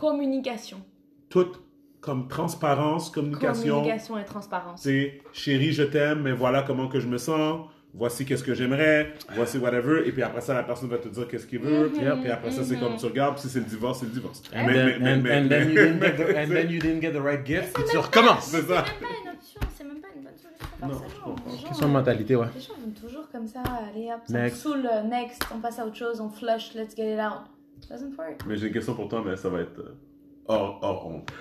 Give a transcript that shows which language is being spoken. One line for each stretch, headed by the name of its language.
French: Communication. Tout comme transparence, communication. Communication et transparence. C'est chérie, je t'aime, mais voilà comment que je me sens. Voici qu'est-ce que j'aimerais, voici whatever, et puis après ça, la personne va te dire qu'est-ce qu'il veut, puis après ça, c'est comme tu regardes, puis si c'est le divorce, c'est le divorce.
English: And then you didn't get the right gift,
French: et tu recommences. C'est même pas une option, c'est même pas une bonne solution. Non, je comprends. Quelle mentalité, ouais. Les gens vont toujours comme ça, allez hop, ça next. Saoule, next, on passe à autre chose, on flush,
English: let's get it out. Doesn't work.
French: Mais j'ai une question pour toi, mais ça va être hors honte.